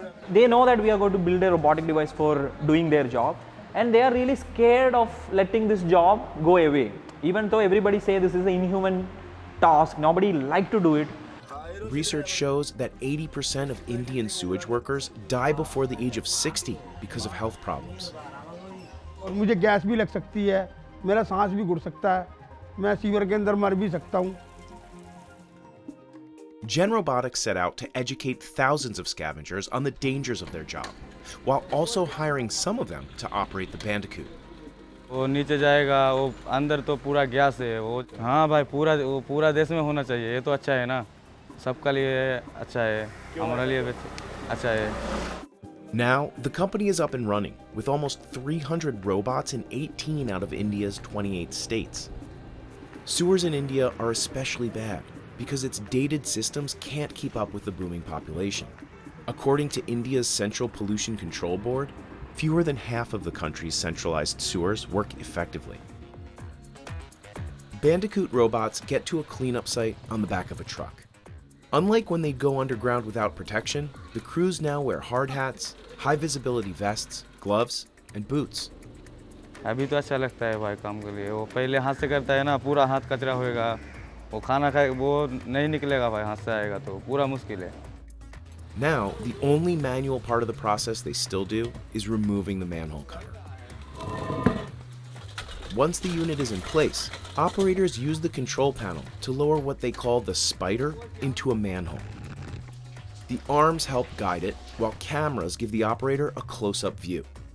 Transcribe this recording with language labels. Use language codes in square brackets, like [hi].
[en] They know that we are going to build a robotic device for doing their job, and they are really scared of letting this job go away. Even though everybody say this is an inhuman task, nobody like to do it. Research shows that 80% of Indian sewage workers die before the age of 60 because of health problems. [hi] मुझे gas भी लग सकती है, मेरा सांस भी घुट सकता है, मैं सीवर के अंदर मर भी सकता हूँ. [en] Gen Robotics set out to educate thousands of scavengers on the dangers of their job, while also hiring some of them to operate the Bandicoot. [hi] वो नीचे जाएगा, वो अंदर तो पूरा गैस है, वो हाँ भाई पूरा वो पूरा देश में होना चाहिए, ये तो अच्छा है ना, सबके लिए अच्छा है, हमारे लिए भी अच्छा है. [en] Now, the company is up and running with almost 300 robots in 18 out of India's 28 states. Sewers in India are especially bad because its dated systems can't keep up with the booming population. According to India's Central Pollution Control Board, fewer than half of the country's centralized sewers work effectively. Bandicoot robots get to a cleanup site on the back of a truck. Unlike when they'd go underground without protection, the crews now wear hard hats, high visibility vests, gloves, and boots. [hi] अभी तो अच्छा लगता है भाई काम के लिए. वो पहले हाथ से करता है ना, पूरा हाथ कचरा होएगा. वो खाना खाए वो नहीं निकलेगा भाई हाथ से आएगा तो पूरा मुश्किल है. [en] Now, the only manual part of the process they still do is removing the manhole cover. Once the unit is in place, operators use the control panel to lower what they call the spider into a manhole. The arms help guide it, while cameras give the operator a close-up view.